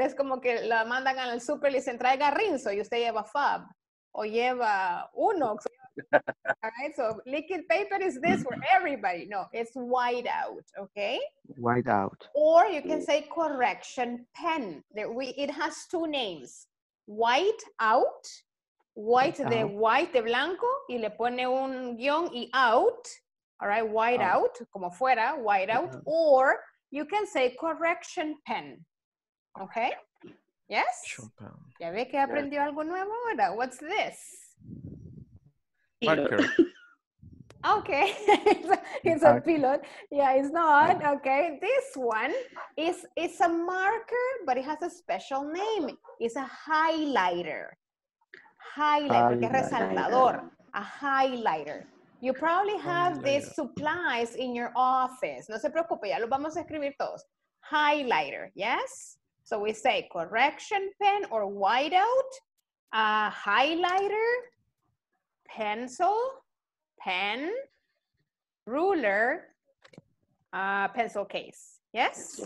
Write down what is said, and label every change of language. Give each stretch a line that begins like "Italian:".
Spanish: Es como que la mandan al super y dicen, traiga rinzo y usted lleva fab. O lleva Unox.
English: Right, so liquid paper is this for everybody. No, it's white out, okay? White out. Or you can say correction pen. It has two names. White out. White out. De white,
Spanish: de blanco. Y le pone un guión y out. All right, white out. Como fuera,
English: white out. Yeah. Or you can say correction pen. Okay? Yes?
Spanish: Chopin. ¿Ya ve que aprendió algo nuevo ahora?
English: What's this? Marker. Okay. It's a pilot. Yeah, it's not. Okay. This one is a marker, but it has a special name. It's a highlighter. Highlighter.
Spanish: Porque es resaltador. A highlighter.
English: You probably have these supplies in your office.
Spanish: No se preocupe, ya los vamos a escribir todos.
English: Highlighter, yes? So we say correction pen or whiteout, highlighter, pencil, pen, ruler, pencil case. Yes?